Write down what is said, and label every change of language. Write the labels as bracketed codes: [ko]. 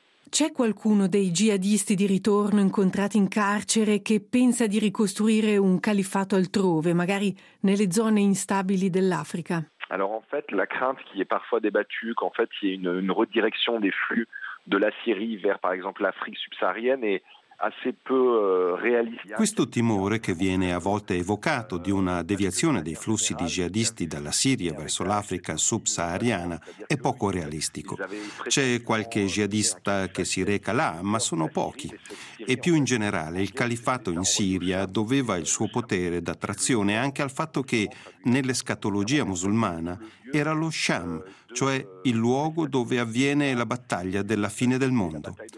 [it] C'è qualcuno dei jihadisti di ritorno incontrati in carcere che pensa di ricostruire un califfato altrove, magari nelle zone instabili dell'Africa? [fr] Alors en fait, la crainte qui est parfois débattue, qu'en fait il y ait une redirection des flux de la Syrie vers par exemple l'Afrique subsaharienne est assez peu réaliste. [it] Questo timore che viene a volte evocato di una deviazione dei flussi di jihadisti dalla Siria verso l'Africa subsahariana è poco realistico. C'è qualche jihadista che si reca là, ma sono pochi. E più in generale, il califfato in Siria doveva il suo potere d'attrazione anche al fatto che nell'escatologia musulmana era lo Sham, cioè il luogo dove avviene la battaglia della fine del mondo.